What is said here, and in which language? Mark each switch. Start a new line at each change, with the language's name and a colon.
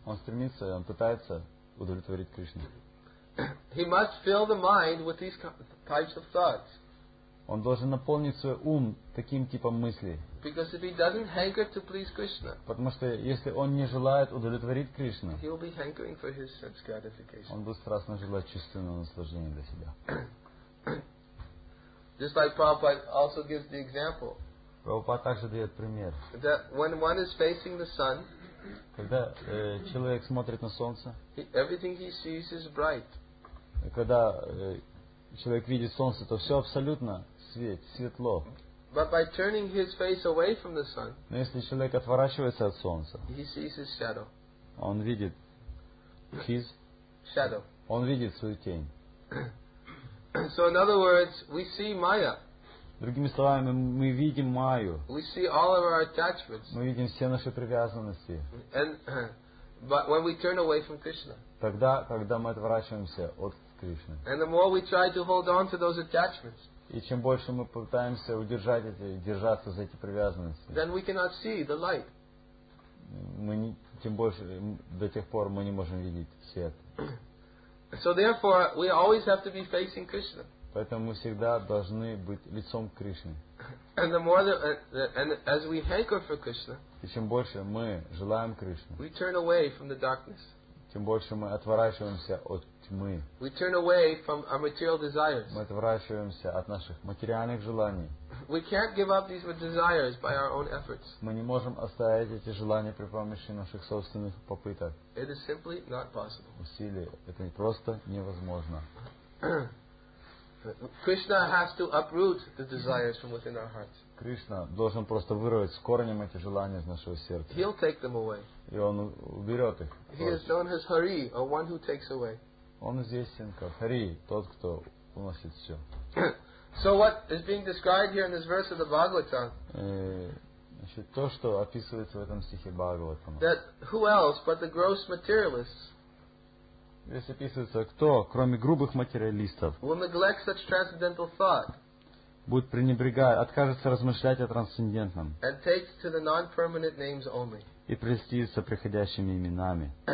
Russian: Он стремится, он пытается удовлетворить Кришну.
English: He must fill the mind with these types of thoughts.
Russian: Он должен наполнить свой ум таким типом мыслей.
English: Because if he doesn't hanker to please Krishna,
Russian: потому что если он не желает удовлетворить Кришну,
English: he will be hankering for his sense gratification.
Russian: Он будет страстно желать чувственного наслаждения для себя.
English: Just like Prabhupada also gives the example.
Russian: Прабхупада также дает пример.
English: That when one is facing the sun,
Russian: когда человек смотрит на солнце,
English: everything he sees is bright.
Russian: Когда человек видит солнце, то все абсолютно светло.
English: But by turning his face away from the sun,
Russian: но если человек отворачивается от солнца,
English: he sees his shadow.
Russian: Он видит
English: his shadow.
Russian: Он видит свою тень.
English: So in other words, we see Maya.
Russian: Другими словами, мы видим Майю.
English: We see all of our attachments.
Russian: Мы видим все наши привязанности.
English: And but when we turn away from Krishna,
Russian: тогда, когда мы отворачиваемся от Кришны.
English: And the more we try to hold on to those attachments,
Russian: и чем больше мы пытаемся удержать держаться за эти привязанности,
English: then we cannot see the light.
Russian: Мы не, тем больше, до тех пор мы не можем видеть свет.
English: So therefore, we always have to be facing Krishna.
Russian: Поэтому мы всегда должны быть лицом к Кришне.
English: And the more and as we hanker for Krishna,
Russian: и чем больше мы желаем Кришны,
English: we turn away from the darkness.
Russian: Тем больше мы отворачиваемся от тьмы.
English: We turn away from our material desires.
Russian: Мы отворачиваемся от наших материальных желаний.
English: We can't give up these desires by our own efforts.
Russian: Мы не можем оставить эти желания при помощи наших собственных попыток.
English: It is simply not possible.
Russian: Усилия. Это просто невозможно.
English: Krishna has to uproot the desires from within our hearts.
Russian: Кришна должен просто вырвать с корнем эти желания из нашего сердца.
English: He'll take them away.
Russian: И он уберет их.
English: He is known as Hari, or one who takes away.
Russian: Он известен как Хари, тот, кто уносит все.
English: So what is being described here in this verse of the Bhagavatam?
Russian: Значит, то, что описывается в этом стихе Бхагаватам.
English: That who else but the gross materialists?
Russian: Здесь описывается, кто, кроме грубых материалистов, будет пренебрегать, откажется размышлять о трансцендентном и прельстится приходящими именами.